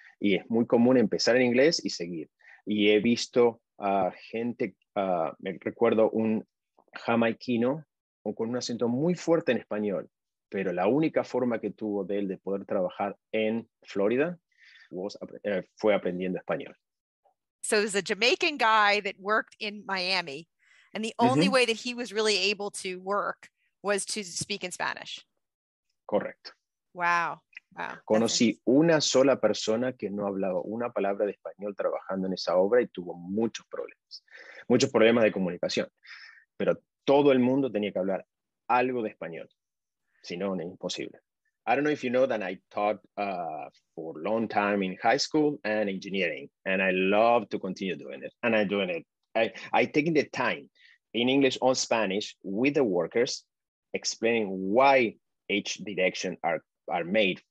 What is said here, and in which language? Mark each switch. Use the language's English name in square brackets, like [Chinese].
[Spanish] Y es muy común empezar en inglés y seguir. Y he visto gente, me recuerdo un jamaiquino con un acento muy fuerte en español, pero la única forma que tuvo de él de poder trabajar en Florida [English] was, [Spanish] fue aprendiendo español. [English] So there's a Jamaican guy that worked in Miami, and the only way that he was really able to work was to speak in Spanish. Correcto. Wow. [Spanish] Conocí una sola persona que no hablaba una palabra de español trabajando en esa obra y tuvo muchos problemas. Muchos problemas de comunicación. Pero todo el mundo tenía que hablar algo de español. Si no, es imposible. [English] I don't know if you know that I taught for a long time in high school and engineering. And I love to continue doing it. And I'm doing it. I taking the time in English or Spanish with the workers, explaining why each direction are made.